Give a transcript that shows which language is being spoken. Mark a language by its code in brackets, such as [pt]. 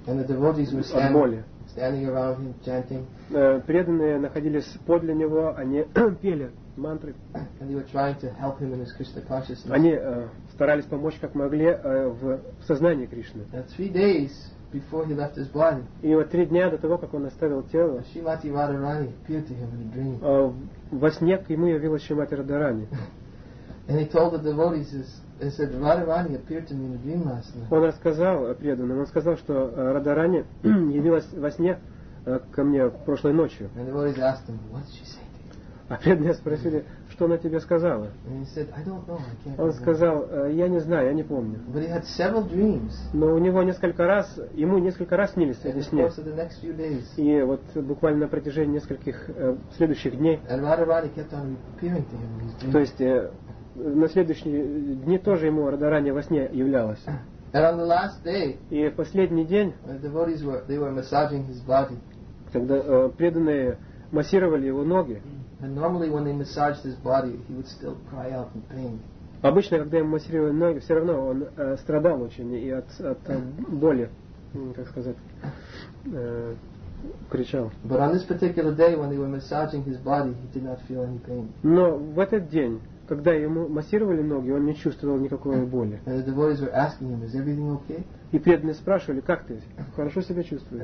[en] And the devotees were standing, [ru] от боли. [en] Standing around him, chanting. [ru] Преданные находились подле него, они пели мантры. [en] And they were trying to help him in his Krishna consciousness. [ru] Они старались помочь, как могли, в сознании Кришны. [en] And 3 days before he left his body. [ru] И вот 3 дня до того, как он оставил тело, [en] Шримати Радарани appeared to him in a dream. [ru] Во сне к ему явилась Шримати Радарани. [en] And he told the devotees, he said, Радарани appeared to me in a dream last night. [ru] Он рассказал преданным, он сказал, что Радарани явилась во сне ко мне прошлой ночью. [en] And the devotees asked him, what did she say to you? [ru] А преданные спросили, что она тебе сказала? [en] And he said, I don't know, I can't remember. [ru] Он сказал, я не знаю, я не помню. [en] But he had several dreams. [ru] Но у него несколько раз, ему несколько раз снились эти сны. И вот буквально на протяжении нескольких следующих дней. [en] And Radharani kept on appearing to him in his dreams. [ru] То есть на следующие дни тоже ему Радарани во сне являлась. [en] And on the last day, [ru] и в последний день, [en] when the devotees were, they were massaging his body. [ru] Когда преданные массировали его ноги. [en] And normally when they massaged his body, he would still cry out in pain. [ru] Обычно, когда ему массировали ноги, все равно он страдал очень и от боли, как сказать, кричал. [en] But on this particular day, when they were massaging his body, he did not feel any pain. [ru] Но в этот день, когда ему массировали ноги, он не чувствовал никакой боли. [en] And the devotees were asking him, "Is everything okay?" [ru] И преданные спрашивали, как ты? Хорошо себя чувствуешь?